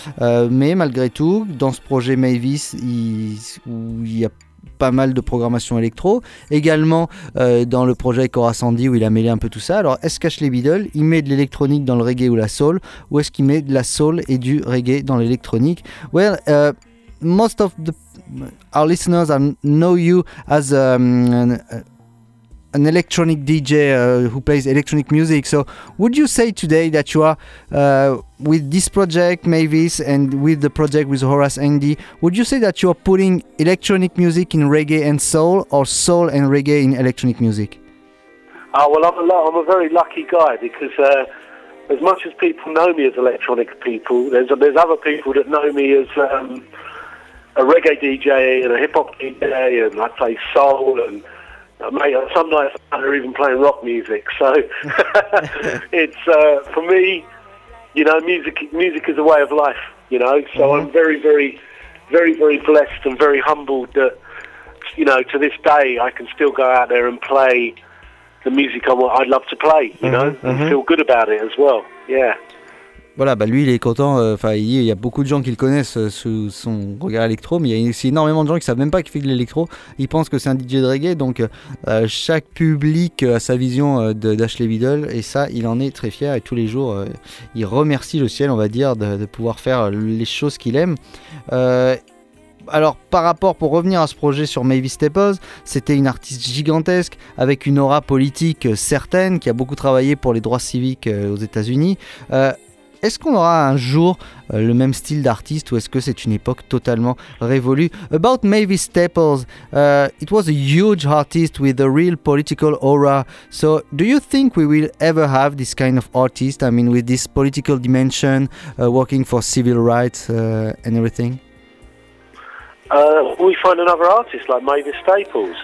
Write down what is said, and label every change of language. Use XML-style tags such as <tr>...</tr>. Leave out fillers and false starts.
<fr>Mais malgré tout, dans ce projet Mavis, où il y a pas mal de programmation électro, également dans le projet Horace Andy où il a mêlé un peu tout ça. Alors est-ce qu'Ashley Biddle, il met de l'électronique dans le reggae ou la soul, ou est-ce qu'il met de la soul et du reggae dans l'électronique?</fr> <en>Well, most of our listeners know you as an electronic DJ who plays electronic music. So would you say today that you are with this project Mavis and with the project with Horace Andy, would you say that you are putting electronic music in reggae and soul, or soul and reggae in electronic music? I'm a very lucky guy, because as much as people know me as electronic people, there's other people that know me as a reggae DJ and a hip hop DJ, and I play soul, and mate, some nights I'm even playing rock music. So it's for me, you know, music is a way of life, you know. So I'm very, very, very, very blessed and very humbled that, you know, to this day I can still go out there and play the music I'd love to play, you know, and feel good about it as well. Yeah.</en> <fr>Voilà, bah lui il est content, il y a beaucoup de gens qui le connaissent sous son regard électro, mais il y a aussi énormément de gens qui ne savent même pas qu'il fait de l'électro, ils pensent que c'est un DJ de reggae, donc chaque public a sa vision d'Ashley Biddle, et ça il en est très fier, et tous les jours il remercie le ciel, on va dire, de pouvoir faire les choses qu'il aime. Alors, par rapport, pour revenir à ce projet sur Mavis Staples, c'était une artiste gigantesque avec une aura politique certaine qui a beaucoup travaillé pour les droits civiques aux États-Unis. Est-ce qu'on aura un jour le même style d'artiste ou est-ce que c'est une époque totalement révolue?</fr> <en>About Mavis Staples, it was a huge artist with a real political aura. So, do you think we will ever have this kind of artist? I mean, with this political dimension, working for civil rights and everything? We find another artist like Mavis Staples.</en>